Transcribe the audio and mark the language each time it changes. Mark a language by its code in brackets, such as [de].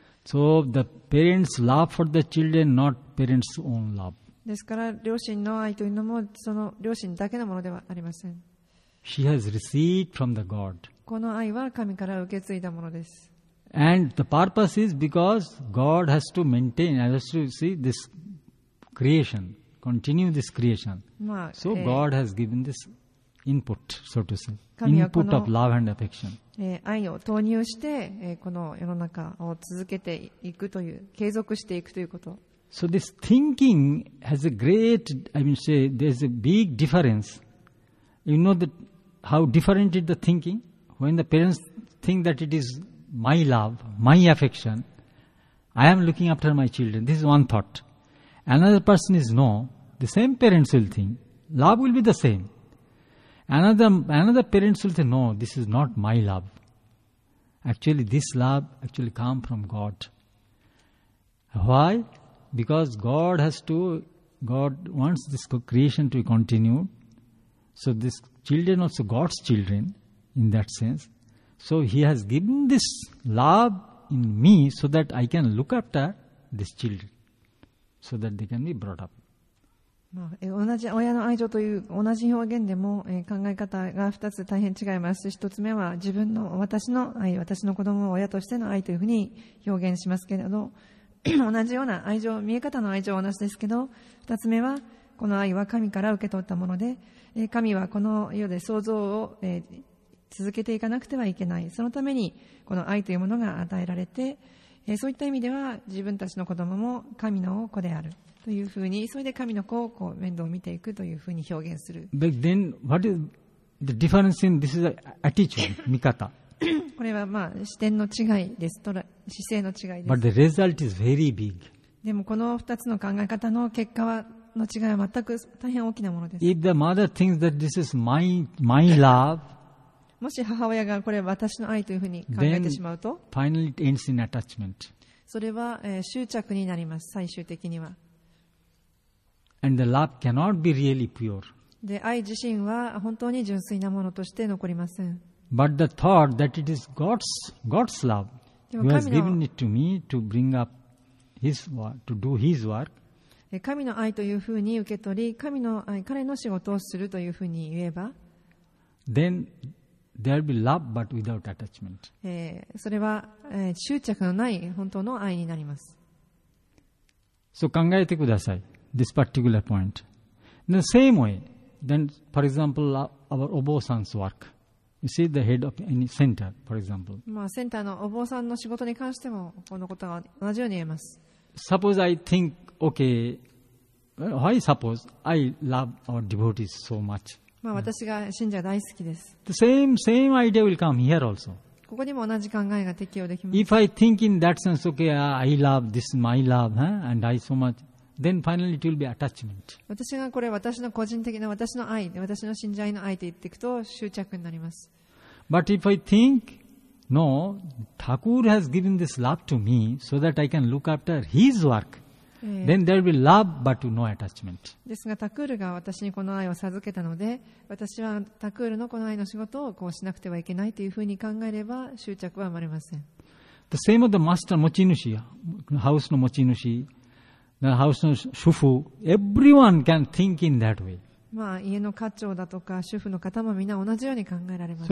[en] So the parents' love for the children, not parents' own love. [ja] ですから両親の愛というのもその両親だけのものではありません。 [en] She has received from the God. [ja] この愛は神から受け継いだものです。 [en] And the purpose is because God has to maintain, has to see this creation. Continue this creation. So God has given this input, so to say. Input of love and affection. [ja] 愛を投入して、この世の中を続けていくという、継続していくということ。 [en] So this thinking has a great, I mean, say, there's a big difference. You know that how different is the thinking? When the parents think that it is my love, my affection, I am looking after my children. This is one thought. Another person is no. The same parents will think. Love will be the same. Another parents will think, no, this is not my love. Actually, this love actually comes from God. Why? Because God wants this creation to continue. So this children also God's children in that sense. So he has given this love in me so that I can look after these children so that they can be brought up. [ja] 同じ親の愛情という同じ表現でも考え方が2つ大変違います。 1つ目は自分の私の愛、私の子供を親としての愛というふうに表現しますけれど、同じような愛情、見え方の愛情は同じですけど、2つ目はこの愛は神から受け取ったもので、神はこの世で創造を続けていかなくてはいけない、そのためにこの愛というものが与えられて、そういった意味では自分たちの子供も神の子であるというふうに、それで神の子をこう面倒を見ていくというふうに表現する。 [en] But then, what is the difference in this is attitude, [ja] 見方。これは、まあ、視点の違いです、姿勢の違いです。 [en] But the result is very big. [ja] でもこの2つの考え方の結果はの違いは全く大変大きなものです。 [en] If the mother thinks that this is my love, [ja] もし母親がこれは私の愛というふうに考えてしまうと、 [en] then finally it ends in attachment. [ja] それは、執着になります、最終的には。 [en] And the love cannot be really pure. [ja] で、愛自身は本当に純粋なものとして残りません。 [en] But the thought that it is God's love, who has given it to me to bring up His work, to do His work. [ja] 神の愛というふうに受け取り、神の愛、彼の仕事をするというふうに言えば、 [en] then there will be love but without attachment. [ja] それは、執着のない本当の愛になります。 [en] So [ja] 考えてください。 [en] This particular point. In the same way, then, for example, our obo-san's work. You see, the head of any center, for example. [ja] まあ、センターのお坊さんの仕事に関してもこのことは同じように言えます。 [en] Suppose I think, okay, why suppose I love our devotees so much? [ja] まあ、私が信者大好きです。 [en] The same idea will come here also. [ja] ここにも同じ考えが適用できます。 [en] If I think in that sense, okay, I love, this is my love, huh, and I so much,Then finally it will be attachment. [ja] 私がこれ私の個人的な私の愛、私の信者愛の愛と言っていくと執着になります。 [en] But if I think, no, Thakur has given this love to me so that I can look after his work, then there will be love but no attachment. [ja] ですが、Thakurが私にこの愛を授けたので、私はThakurのこの愛の仕事をこうしなくてはいけないというふうに考えれば執着は生まれません。 [en] The same of the master, [ja] 持ち主、ハウスの持ち主。 [en] The house [ja] の主婦、 [en] everyone can think in that way. [ja] まあ、家の家長だとか主婦の方もみんな同じように考えられます。